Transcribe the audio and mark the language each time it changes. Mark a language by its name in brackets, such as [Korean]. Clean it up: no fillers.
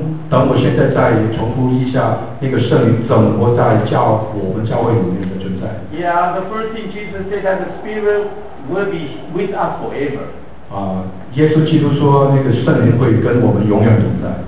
[Chinese] 等我现在再重复一下那个圣灵怎么在我们教会里面的存在。 [English] Yeah, the first thing Jesus said that the Spirit will be with us forever. [Chinese] 耶稣基督说那个圣灵会跟我们永远同在